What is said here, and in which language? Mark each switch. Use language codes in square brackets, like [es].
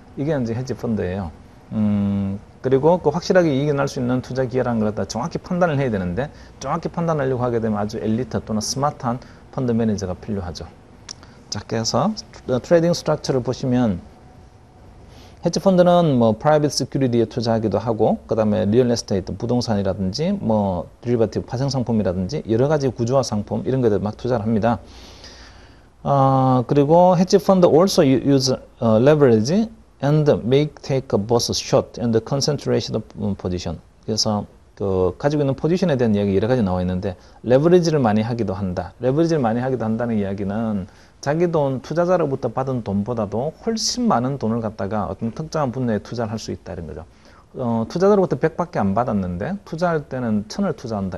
[ko] 이게 이제 헤지펀드예요. 그리고 그 확실하게 이익이 날수 있는 투자 기회라는 걸 갖다 정확히 판단을 해야 되는데, 정확히 판단하려고 하게 되면 아주 엘리트 또는 스마트한 펀드 매니저가 필요하죠. 자, 그래서 트레이딩 스트럭처를 보시면 헤지펀드는 뭐 프라이빗 시큐리티에 투자하기도 하고, 그다음에 리얼 에스테이트 부동산이라든지 뭐 드리버티브 파생상품이라든지 여러 가지 구조화 상품 이런 것들 막 투자를 합니다. [en] 그리고 헤지펀드 also use leverage and make take a both short and concentration position. [ko] 그래서 그 가지고 있는 포지션에 대한 이야기 여러 가지 나와 있는데, 레버리지를 많이 하기도 한다. 레버리지를 많이 하기도 한다는 이야기는 자기 돈, 투자자로부터 받은 돈보다도 훨씬 많은 돈을 갖다가 어떤 특정한 분야에 투자를 할수 있다는 거죠. 투자자로부터 100밖에 안 받았는데 투자할 때는 1000을 투자한다.